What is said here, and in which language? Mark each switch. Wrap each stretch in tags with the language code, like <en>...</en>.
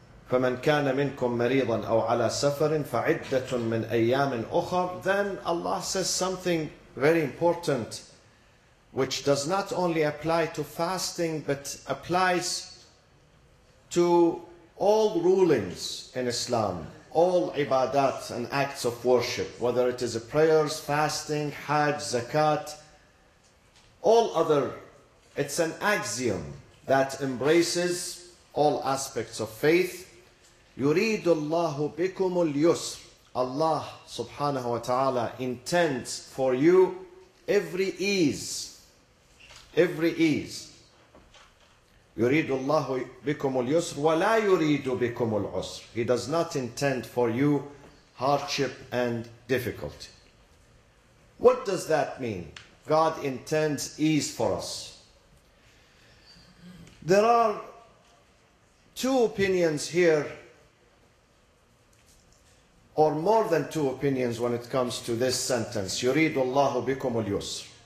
<ar>فَمَنْ كَانَ مِنْكُمْ مَرِيضًا أَوْ عَلَى سَفَرٍ فَعِدَّةٌ مِنْ أَيَّامٍ أُخَرٍ,</ar> <en>then Allah says something very important, which does not only apply to fasting, but applies to all rulings in Islam, all ibadat and acts of worship, whether it is prayers, fasting, hajj, zakat, all other. It's an axiom that embraces all aspects of faith.</en> <ar>يُرِيدُ اللَّهُ بِكُمُ الْيُسْرِ,</ar> <en>Allah subhanahu wa ta'ala intends for you every ease, every ease.</en> <ar>يريد الله بكم اليسر ولا يريد بكم العسر.</ar> <en>He does not intend for you hardship and difficulty. What does that mean? God intends ease for us. There are two opinions here, or more than two opinions when it comes to this sentence,</en> <ar>يريد الله بكم اليسر.</ar>